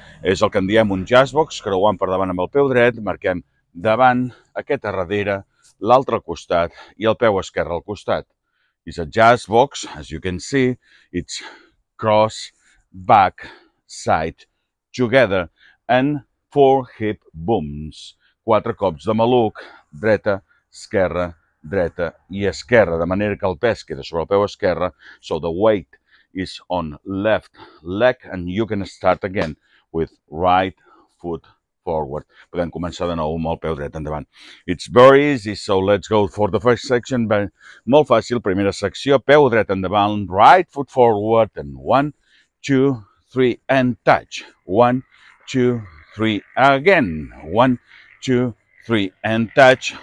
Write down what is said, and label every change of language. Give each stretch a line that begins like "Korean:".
Catalan: És el que en diem un jazz box, creuant per davant amb el peu dret, marquem davant, aquest a darrere, l'altre al costat i el peu esquerre al costat.
English: It's a jazz box, as you can see, it's cross, back, side, together, and four hip booms.
Catalan: Quatre cops de maluc, dreta, esquerra, de manera que el pes queda sobre el peu esquerre,
English: so the weight is on left leg, and you can start again with right foot forward.
Catalan: Podem començar de nou amb el peu dret endavant.
English: It's very easy, so let's go for the first section.
Catalan: Molt fàcil, primera secció, peu dret endavant,
English: right foot forward, and one, two, three, and touch. One, two, three, again. One, two, three, and touch.